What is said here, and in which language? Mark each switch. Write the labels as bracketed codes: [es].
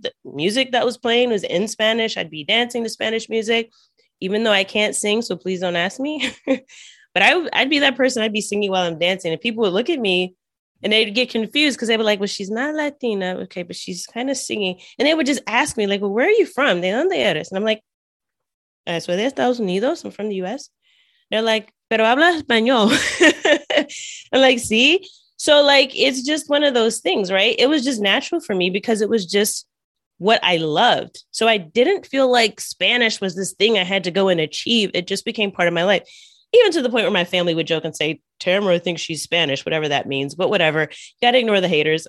[en] The music that was playing was in Spanish. I'd be dancing to Spanish music, even though I can't sing. So please don't ask me. But I'd be that person. I'd be singing while I'm dancing. And people would look at me and they'd get confused because they'd be like, well, she's not Latina. Okay, but she's kind of singing. And they would just ask me like, well, where are you from? [es] ¿De dónde eres? [en] And I'm like, [es] soy de Estados Unidos. [en] I'm from the U.S. They're like, [es] pero habla español. [en] I'm like, see? So like, it's just one of those things, right? It was just natural for me because it was just what I loved. So I didn't feel like Spanish was this thing I had to go and achieve. It just became part of my life. even to the point where my family would joke and say, Tamara thinks she's Spanish, whatever that means, but whatever. Got to ignore the haters.